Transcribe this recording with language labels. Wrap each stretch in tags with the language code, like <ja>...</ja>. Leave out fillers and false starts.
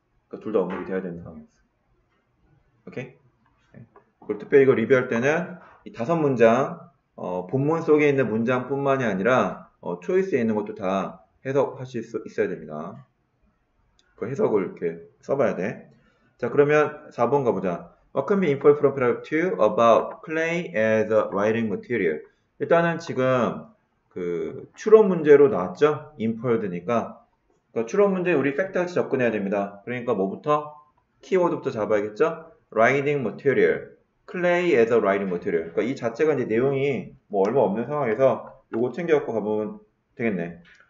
<ko>그러니까 둘다 언급이 돼야 되는 상황이었어요. 오케이? 그리고 특별히 이거 리뷰할 때는 이 다섯 문장, 본문 속에 있는 문장뿐만이 아니라 초이스에 있는 것도 다 해석하실 수 있어야 됩니다. 그 해석을 이렇게 써봐야 돼. 자, 그러면 4번 가보자.</ko> <en>What can be inferred from paragraph 2 about clay as a writing material?</en> <ko>일단은 지금 그 추론 문제로 나왔죠? inferred니까. 그러니까 추론 문제에 우리 팩트같이 접근해야 됩니다. 그러니까 뭐부터? 키워드부터 잡아야겠죠?</ko> <en>writing material. clay as a writing material.</en> <ko>그러니까 이 자체가 이제 내용이 뭐 얼마 없는 상황에서 요거 챙겨갖고 가보면 되겠네.</ko>